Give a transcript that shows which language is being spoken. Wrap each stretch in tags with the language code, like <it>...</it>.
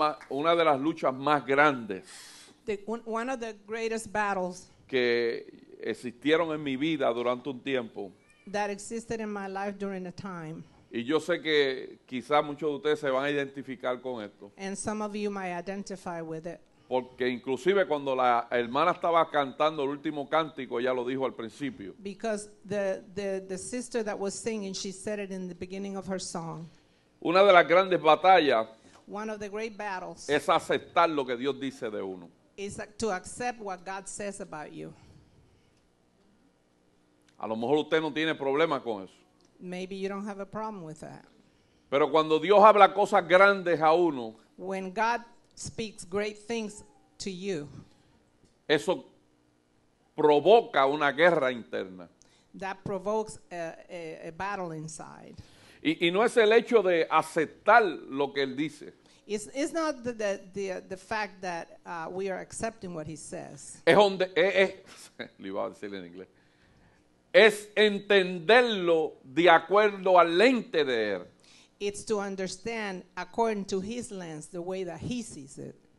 <es>Una de las luchas más grandes que existieron en mi vida durante un tiempo.</es> <en>That existed in my life during a time.</en> <es>Y yo sé que quizás muchos de ustedes se van a identificar con esto.</es> <en>And some of you might identify with it.</en> <es>Porque inclusive cuando la hermana estaba cantando el último cántico, ella lo dijo al principio.</es> <en>Because the sister that was singing, she said it in the beginning of her song.</en> <es>Una de las grandes batallas,</es> <en>one of the great battles,</en> <es>es aceptar lo que Dios dice de uno.</es> <en>Is to accept what God says about you.</en> <es>A lo mejor usted no tiene problema con eso.</es> <en>Maybe you don't have a problem with that.</en> <es>Pero cuando Dios habla cosas grandes a uno,</es> <en>when God speaks great things to you,</en> <es>eso provoca una guerra interna.</es> <en>That provokes a battle inside.</en> <es>Y no es el hecho de aceptar lo que él dice.</es> <en>It's not the fact that we are accepting what he says.</en> <es>Es donde le iba a decir en inglés. Es entenderlo de acuerdo al lente de él.</es> <en>it's to understand according to his lens, the way that he sees it.</en>